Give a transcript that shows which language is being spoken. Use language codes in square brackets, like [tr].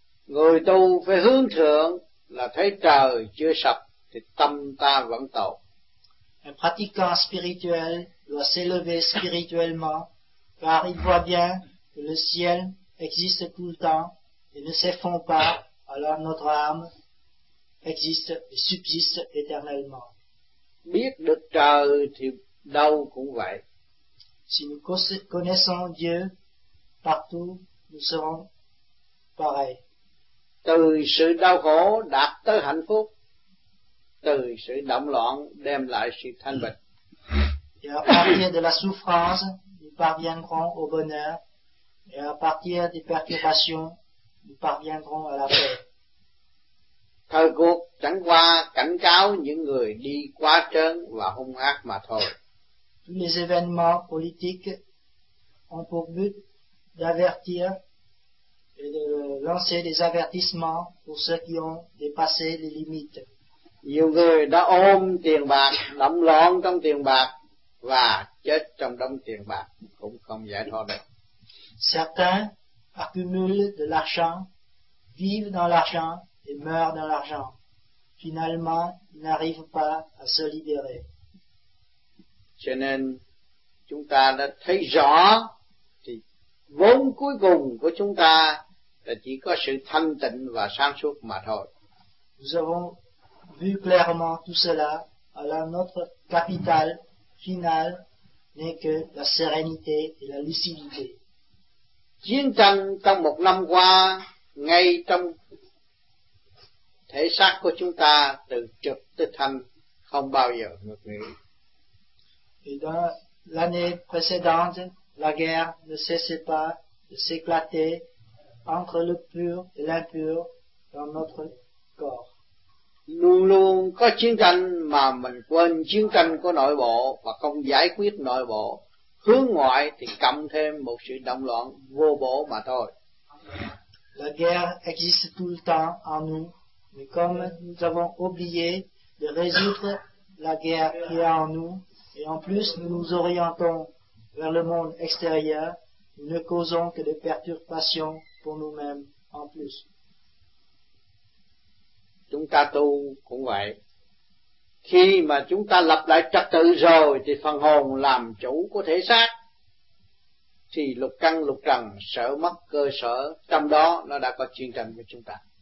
[vi] Người tu phải hướng thượng là thấy trời chưa sập thì tâm ta vẫn tội. [fr] Un pratiquant spirituel doit s'élever spirituellement car il voit bien que le ciel existe tout le temps et ne s'effondre pas. Alors notre âme existe et subsiste éternellement. [vi] Biết được trời thì đâu cũng vậy. [fr] Si nous connaissons Dieu, partout nous serons pareils. [vi] Từ sự đau khổ đạt tới hạnh phúc, từ sự động loạn đem lại sự thanh bình. [fr] Et à partir de la souffrance, nous parviendrons au bonheur, et à partir des perturbations, nous parviendrons à la paix. [vi] Thời cuộc chẳng qua cảnh cáo những người đi quá trớn và hung ác mà thôi. [fr] Tous les événements politiques ont pour but d'avertir et de lancer des avertissements pour ceux qui ont dépassé les limites. [vi] Nhiều người đã ôm tiền bạc, lẫm loạn trong tiền bạc và chết trong đống tiền bạc cũng không giải thoát được. [fr] Certains accumulent de l'argent, vivent dans l'argent et meurent dans l'argent. Finalement, ils n'arrivent pas à se libérer. [vi] Cho nên, chúng ta đã thấy rõ, thì vốn cuối cùng của chúng ta là chỉ có sự thanh tịnh và sáng suốt mà thôi. [fr] Nous avons vu clairement tout cela, alors notre capital final n'est que la sérénité et la lucidité. [vi] Chiến tranh trong một năm qua, ngay trong thể xác của chúng ta, từ trực tới thanh, không bao giờ ngược nghỉ. [fr] Et dans l'année précédente, la guerre ne cessait pas de s'éclater entre le pur et l'impur dans notre corps. [vi] Luôn luôn có chiến tranh mà mình quên chiến tranh của nội bộ và không giải quyết nội bộ. Hướng ngoại thì cầm thêm một sự động loạn vô bổ mà thôi. [fr] La guerre existe tout le temps en nous, mais comme nous avons oublié de résoudre la guerre qui est en nous, et en plus nous nous orientons vers le monde extérieur, nous ne causons que des perturbations pour nous-mêmes en plus. [vi] Chúng ta tu cũng vậy. Khi mà chúng ta lập lại trật tự rồi thì phần hồn làm chủ của thể xác, thì lục căn lục trần sợ mất cơ sở, trong đó nó đã có chiến tranh với chúng ta.